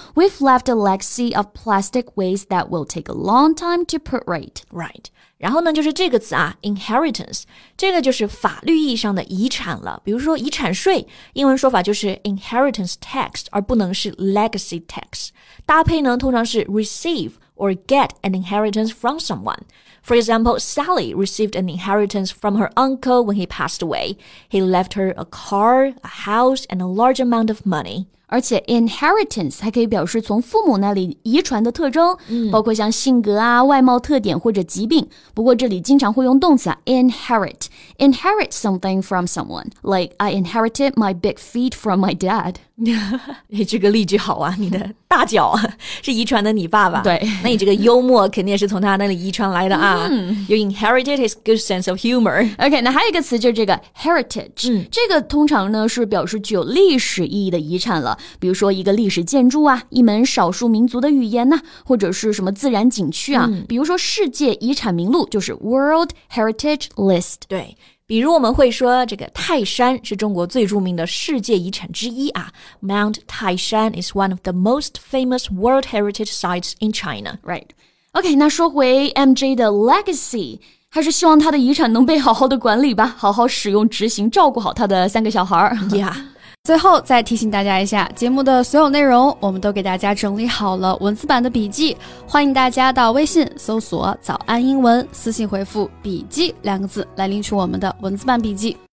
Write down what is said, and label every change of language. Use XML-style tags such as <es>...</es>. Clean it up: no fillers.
<en>We've left a legacy of plastic waste that will take a long time to put right. Right.</en> <zh>然后呢就是这个词啊 inheritance， 这个就是法律意义上的遗产了，比如说遗产税，英文说法就是 inheritance tax， 而不能是 legacy tax。搭配呢通常是</zh> <en>receive or get an inheritance from someone。 For example, Sally received an inheritance from her uncle when he passed away. He left her a car, a house, and a large amount of money.</en> <zh>而且 inheritance 还可以表示从父母那里遗传的特征，包括像性格啊、外貌特点或者疾病。不过这里经常会用动词啊 inherit.</zh> <en>Inherit something from someone. Like, I inherited my big feet from my dad.</en> <zh>这个例句好啊，你的大脚是遗传的你爸爸。对。那你这个幽默肯定是从他那里遗传来的。</zh> <en>You inherited his good sense of humor.</en> <zh>OK, 那还有一个词就是这个 heritage. 这个通常呢是表示具有历史意义的遗产了。比如说一个历史建筑啊，一门少数民族的语言啊，或者是什么自然景区啊。比如说世界遗产名录就是 World Heritage List. 对。比如我们会说这个泰山是中国最著名的世界遗产之一啊。</zh> <en>Mount Taishan is one of the most famous World Heritage Sites in China. Right.</en> <zh>OK, 那说回 MJ 的 legacy, 还是希望他的遗产能被好好的管理吧，好好使用执行，照顾好他的三个小孩。</zh> <en>Yeah.</en> <zh>最后再提醒大家一下，节目的所有内容我们都给大家整理好了文字版的笔记，欢迎大家到微信搜索早安英文，私信回复笔记两个字来领取我们的文字版笔记。</zh>